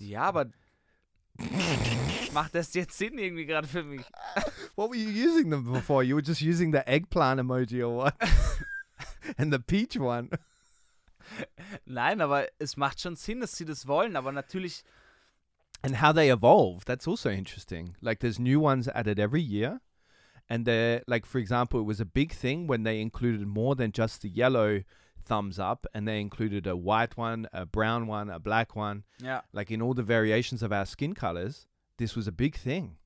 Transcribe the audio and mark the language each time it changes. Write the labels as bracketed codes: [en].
[de] Ja, aber... macht das jetzt Sinn irgendwie gerade für mich? [en] What were you using them before? You were just using the eggplant emoji or what? And the peach one. [de] Nein, aber es macht schon Sinn, dass sie das wollen, aber natürlich... [en] And how they evolve, that's also interesting. Like, there's new ones added every year. And they're, like, for example, it was a big thing when they included more than just the yellow thumbs up, and they included a white one, a brown one, a black one. Yeah. Like, in all the variations of our skin colors, this was a big thing.